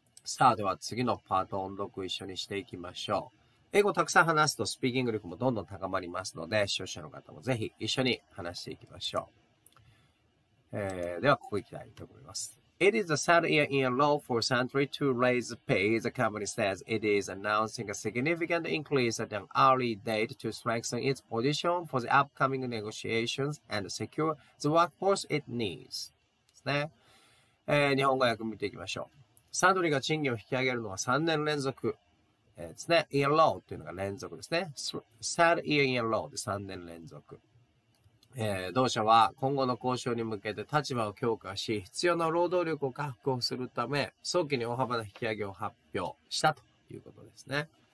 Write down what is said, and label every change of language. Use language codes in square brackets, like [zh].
[ja] さあ、では次のパート音読を一緒にしていきましょう。英語をたくさん話すとスピーキング力もどんどん高まりますので、視聴者の方もぜひ一緒に話していきましょう。では、ここ行きたいと思います。 [en] It is the third year in a row for Suntory to raise pay. The company says it is announcing a significant increase at an early date to strengthen its position for the upcoming negotiations and secure the workforce it needs. [ja] ですね。日本語訳見ていきましょう。サントリーが賃金を引き上げるのは3年連続ですね。 [en] In a row [ja] というのが連続ですね。 [en] Third year in a row [ja] で3年連続。同社は今後の交渉に向けて立場を強化し、必要な労働力を確保するため、早期に大幅な引き上げを発表したということですね。